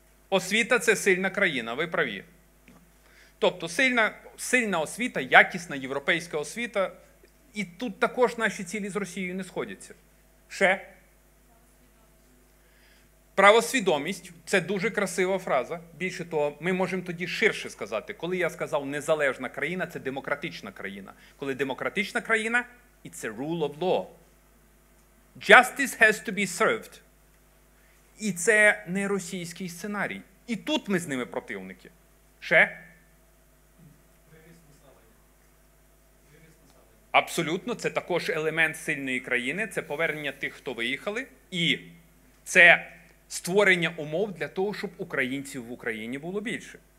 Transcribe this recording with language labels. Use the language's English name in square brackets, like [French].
[Ukrainian] Освіта – це сильна країна, ви праві. Тобто сильна освіта, якісна європейська освіта. І тут також наші цілі з Росією не сходяться. Ще? Правосвідомість – це дуже красива фраза. Більше того, ми можемо тоді ширше сказати. Коли я сказав «незалежна країна» – це демократична країна. Коли демократична країна [English] – it's a rule of law. Justice has to be served. [Ukrainian] І це не російський сценарій. І тут ми з ними противники. Ще? Абсолютно, це також елемент сильної країни, це повернення тих, хто виїхали, і це створення умов для того, щоб українців в Україні було більше.